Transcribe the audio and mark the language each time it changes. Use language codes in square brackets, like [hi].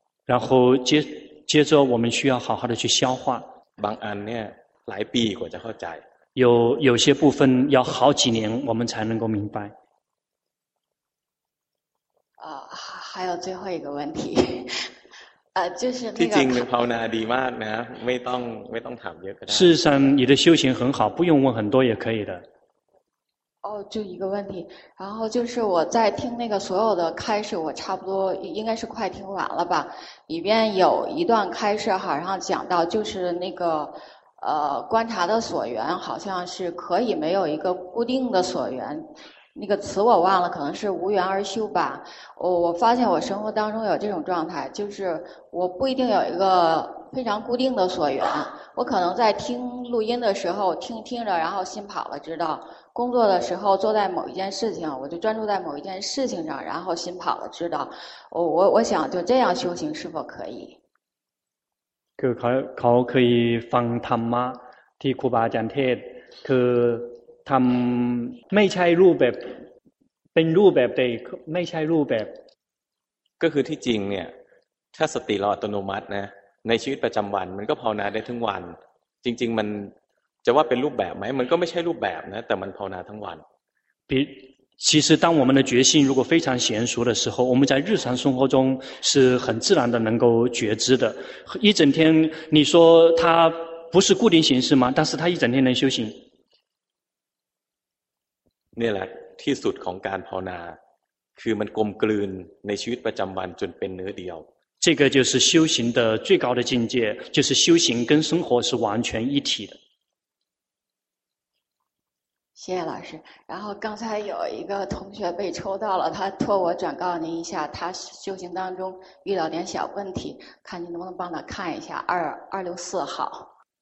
[zh] 然后接着我们需要好好的去消化 [th] บางอันเนี่ย 来ปีกว่าจะเข้าใจ [zh] 有些部分要好几年我们才能够明白啊还有最后一个问题就是那个 [th] ที่จริงภาวนาดีมากนะไม่ต้องถามเยอะก็ได้ [zh] 事实上你的修行很好不用问很多也可以的哦就一个问题然后就是我在听那个所有的开示我差不多应该是快听完了吧里边有一段开示哈然后讲到就是那个观察的所缘好像是可以没有一个固定的所缘那个词我忘了可能是无缘而修吧我发现我生活当中有这种状态就是我不一定有一个非常固定的所缘我可能在听录音的时候听听着然后心跑了知道工作的时候坐在某一件事情我就专注在某一件事情上然后心跑了知道我想就这样修行是否可以 [th] คือเขาเคยฟังธรรมะที่ครูบาอาจารย์เทศคือทำไม่ใช่รูปแบบเป็นรูปแบบแต่ไม่ใช่รูปแบบ ก็คือที่จริงเนี่ยถ้าสติเราอัตโนมัตินะในชีวิตประจำวันมันก็ภาวนาได้ทั้งวันจริงๆมันจะว่าเป็นรูปแบบไหมมันก็ไม่ใช่รูปแบบนะแต่มันภาวนาทั้งวัน [zh] 其实当我们的觉性如果非常娴熟的时候我们在日常生活中是很自然的能够觉知的一整天你说它不是固定形式吗但是它一整天能修行 [th] นี่แหละที่สุดของการภาวนาคือมันกลมกลืนในชีวิตประจำวันจนเป็นเนื้อเดียว [zh] 这个就是修行的最高的境界就是修行跟生活是完全一体的谢谢老师然后刚才有一个同学被抽到了他托我转告您一下他修行当中遇到点小问题看您能不能帮他看一下2264号